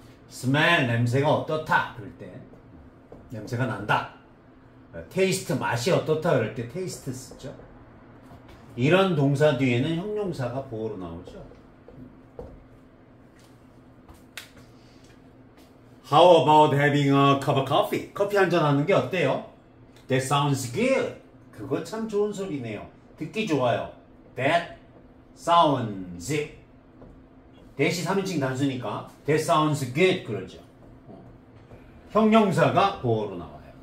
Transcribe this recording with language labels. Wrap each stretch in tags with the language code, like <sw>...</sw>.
<ko>smell, 냄새가 어떻다? 그럴 때. 냄새가 난다. taste, 맛이 어떻다? 그럴 때 taste 쓰죠. 이런 동사 뒤에는 형용사가 보호로 나오죠.</ko> <en>How about having a cup of coffee?</en> <ko>커피 한잔 하는 게 어때요?</ko> <en>That sounds good.</en> <ko>그거 참 좋은 소리네요. 듣기 좋아요.</ko> <en>That sounds.</en> <ko>대시 3인칭 단수니까</ko> <en>That sounds good.</en> <ko>그러죠. 형용사가 보호로 나와요.</ko>